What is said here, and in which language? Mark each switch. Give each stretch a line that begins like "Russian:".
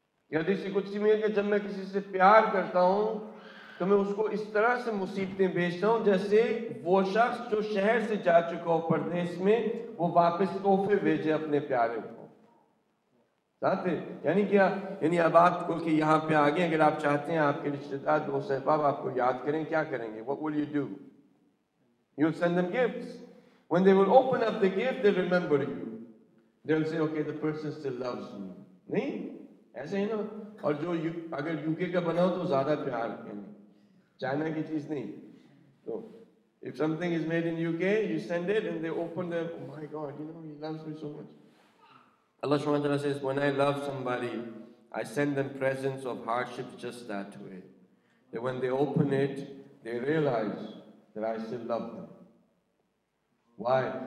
Urdu: یا دیسی کچھ سی میں کہ جب میں کسی سے پیار کرتا ہوں تو میں اس کو اس طرح سے مصیبتیں بھیجتا ہوں جیسے وہ شخص جو شہر سے جا چکا ہو پردیس میں وہ واپس تحفے بھیجے اپنے پیارے کو. چاہتے یعنی کیا؟ یعنی اب آپ کو کہ یہاں پہ آگے اگر آپ چاہتے ہیں آپ کے رشتے دار دوست احباب آپ کو یاد کریں کیا کریں گے؟
English: What will you do? You'll send them gifts. When they will open up the gift, they'll remember you. They'll say, okay, the person still loves you.
Urdu: نہیں ایسے ہی نا. اور جو اگر یو کے کا بنا ہو تو زیادہ پیار کریں. چائنا کی چیز نہیں.
English: تو if something is made in UK, you send it and they open the, oh my God, you know, he loves me so much. Allah subhanahu wa ta'ala says, when I love somebody, I send them presents of hardship just that way. That when they open it, they realize that I still love them. Why?